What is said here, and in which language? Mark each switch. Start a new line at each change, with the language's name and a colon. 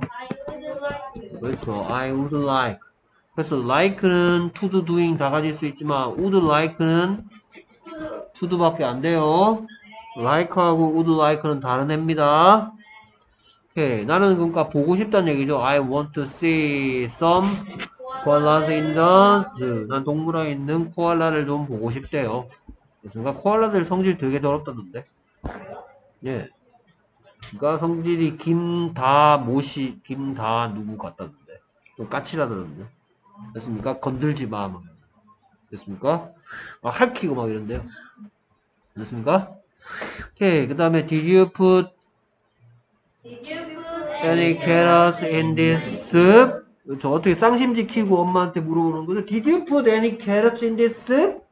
English: I would like.
Korean: 그렇죠.
English: I would like.
Korean: 그래서 like는 to do, doing 다 가질 수 있지만, would like는 to do밖에 안 돼요. 네. like하고 would like는 다른 애입니다. 네. 오케이. 나는 그러니까 보고 싶다는 얘기죠.
English: I want to see some koalas in the zoo.
Korean: 난 동물원에 있는 코알라를 좀 보고 싶대요. 그러니까 코알라들 성질 되게 더럽다던데. 예. 그러니까 성질이 김다 누구 같다던데. 좀 까칠하다던데. 됐습니까? 건들지 마. 됐습니까? 막 핥히고 막 이런데요. 됐습니까? 오케이. 그 다음에
English: Did you put any carrots in this soup?
Korean: 저 어떻게 쌍심지 키고 엄마한테 물어보는 거죠?
English: Did you put any carrots in this soup?